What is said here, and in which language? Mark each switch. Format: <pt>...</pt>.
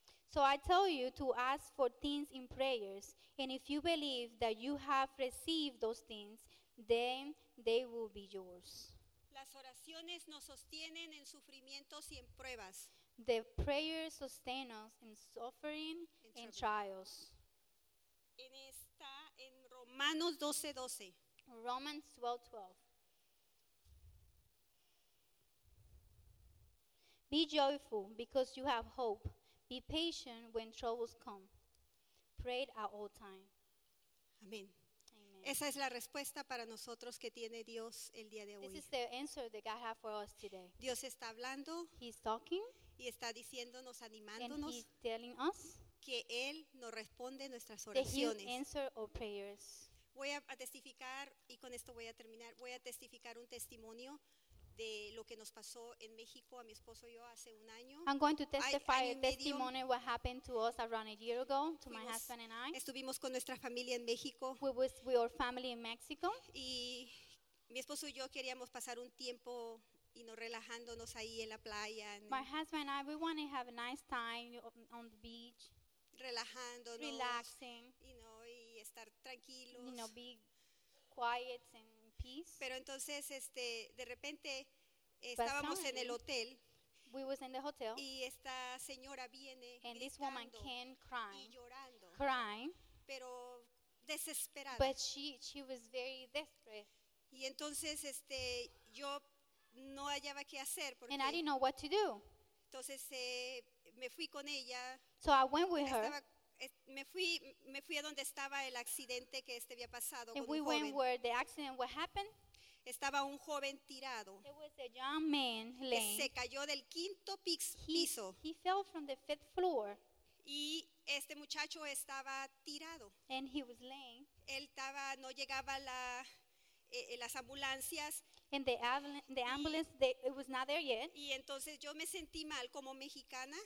<en>So I tell you to ask for things in prayers, and if you believe that you have received those things, then they will be yours.</en> <es>Las oraciones nos sostienen en sufrimientos y en pruebas.</es> <en>The prayers sustain us in suffering and trials.</en> <es>En esta, en Romanos 12:12.</es> <en>Romans 12:12. Be joyful because you have hope. Be patient when troubles come. Pray at all times.</en> <es>Amén. Esa es la respuesta para nosotros que tiene Dios el día de hoy.</es> <en>This is the answer that God has for us today.</en> <es>Dios está hablando.</es> <en>He's talking.</en> <es>Y está diciéndonos, animándonos.</es> <en>And he's telling us.</en> <es>Que Él nos responde nuestras oraciones.</es> <en>That He answers our prayers.</en> <es>Voy a testificar, y con esto voy a terminar, voy a testificar un testimonio de lo que nos pasó en México a mi esposo y yo hace un año.</es> <en>I'm going to testify a testimony what happened to us around a year ago to my husband and I.</en> <es>Estuvimos con nuestra familia en México.</es> <en>We was with our family in Mexico.</en> <es>Y mi esposo y yo queríamos pasar un tiempo y nos relajándonos ahí en la playa.</es> <en>My husband and I, we want to have a nice time on the beach.</en> <es>Relajándonos.</es> <en>Relaxing. You know,</en> <es>y estar tranquilos.</es> <en>You know, be quiet and peace.</en> <es>Pero entonces, de repente estábamos en el hotel.</es> <en>We was in the hotel.</en> <es>Y esta señora viene</es> <en>and this woman came crying,</en> <es>y llorando,</es> <en>crying,</en> <es>pero desesperada.</es> <en>But she was very desperate.</en> <es>Y entonces, yo no hallaba qué hacer porque.</es> <en>And I didn't know what to do.</en> <es>Entonces, me fui con ella.</es> <en>So I went with her.</en> <es>Me fui a donde estaba el accidente que había pasado.</es> <en>And</en> <es>con un</es> <en>we</en> <es>joven.</es> <en>Went where the accident what happened.</en> <es>Estaba un joven tirado.</es> <en>There was a young man laying.</en> <es>Se cayó del quinto piso.</es> <en>He fell from the fifth floor.</en> <es>Y este muchacho estaba tirado.</es> <en>And he was laying.</en> <es>Él estaba, no llegaba la las ambulancias.</es> <en>And the ambulance, it was not there yet.</en> <es>Y entonces yo me sentí mal como mexicana.</es>